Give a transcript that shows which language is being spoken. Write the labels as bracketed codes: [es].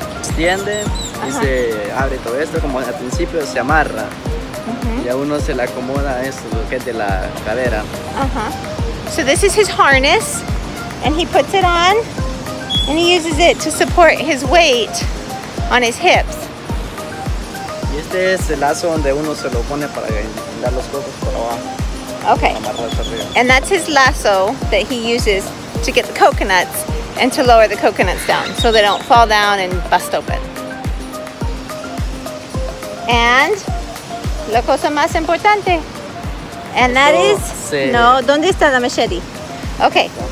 [es] Extiende y se abre todo esto, como al principio se amarra. Y a uno se le acomoda eso, lo que es de la cadera. [en] So this is his harness, and he puts it on. And he uses it to support his weight on his hips. [es] Y este es el lazo donde uno se lo pone para dar los cocos por abajo. [en] Okay. And that's his lasso that he uses to get the coconuts and to lower the coconuts down so they don't fall down and bust open. And [es] la cosa más importante. [en] And that is no, [es] ¿dónde está la machete? Okay.